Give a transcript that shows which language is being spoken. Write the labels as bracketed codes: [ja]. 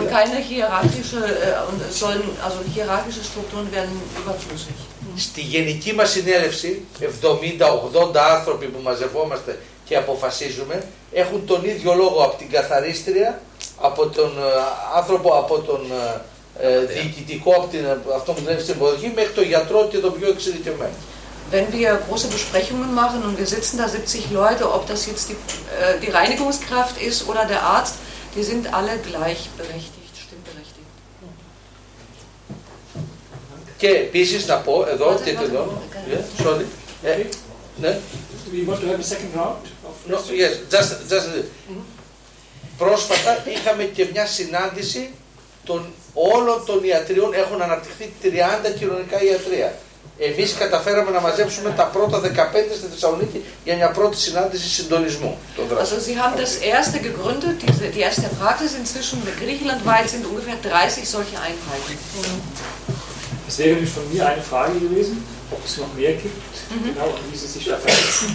[de] Und keine hierarchische, und sollen, also hierarchische Strukturen werden überflüssig. [el] Στη γενική μας συνέλευση, 70-80 άνθρωποι που μαζευόμαστε και αποφασίζουμε, έχουν τον ίδιο λόγο από την καθαρίστρια, από τον άνθρωπο, από τον διοικητικό, από την, αυτό που δουλεύει στην υποδοχή, μέχρι τον γιατρό και τον πιο εξειδικευμένο. [de] Wenn wir große Besprechungen machen und wir sitzen da 70 Leute, ob das jetzt die Reinigungskraft ist oder der Arzt, die sind alle gleichberechtigt, stimmberechtigt. [el] Και επίσης να πω εδώ, τι είναι εδώ, sorry, ναι. [en] We want to have a second round of questions. No, yes, just [el] πρόσφατα είχαμε και μια συνάντηση των όλων των ιατρείων, έχουν αναπτυχθεί 30 κοινωνικά ιατρία. Εμείς καταφέραμε να μαζέψουμε τα πρώτα 15 στη Θεσσαλονίκη για μια πρώτη συνάντηση συντονισμού. [de] Also sie haben das erste gegründet, die erste Praxis inzwischen griechenlandweit sind ungefähr 30 solche Einheiten. Es wäre nämlich von mir eine Frage gewesen, ob es noch mehr gibt, genau, und wie sie sich da vernetzen.